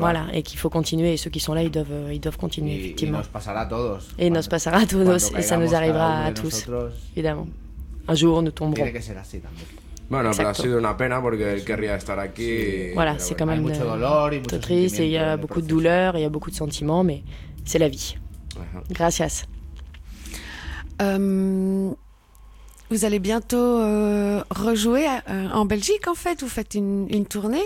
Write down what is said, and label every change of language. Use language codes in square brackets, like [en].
[fr] Voilà, et qu'il faut continuer, et ceux qui sont là ils doivent continuer, effectivement. [es] Y nos pasará a todos. [fr] Et [es] nos pasará a todos, [fr] et ça nous arrivera à tous, évidemment. Un jour nous tomberons. [es] Bueno, exacto. Pero ha sido una pena porque él querría estar aquí. Sí. [fr] Voilà, c'est quand même très triste, il y a beaucoup de douleur, il y a beaucoup de sentiments, mais c'est la vie. [es] Gracias. [fr] Vous allez bientôt rejouer en Belgique, en fait. Vous faites une tournée.